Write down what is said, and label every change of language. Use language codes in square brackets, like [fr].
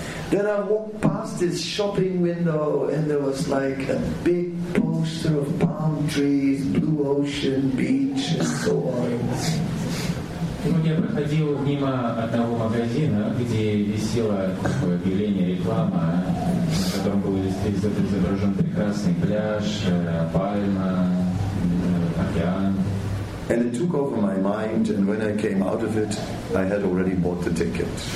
[en] Then I walked past this shopping window and there was like a big poster of palm trees, blue ocean, beach and so on. [ru] И вот я проходил мимо одного магазина, где висело такое объявление, реклама, на котором был изображен прекрасный пляж, пальма, океан. [en] And it took over my mind, and when I came out of it, I had already bought the ticket.